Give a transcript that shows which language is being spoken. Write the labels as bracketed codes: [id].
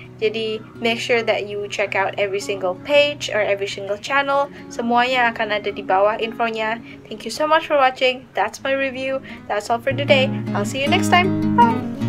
[en] Jadi make sure that you check out every single page or every single channel. [id] Semuanya akan ada di bawah infonya. [en] Thank you so much for watching. That's my review. That's all for today. I'll see you next time. Bye.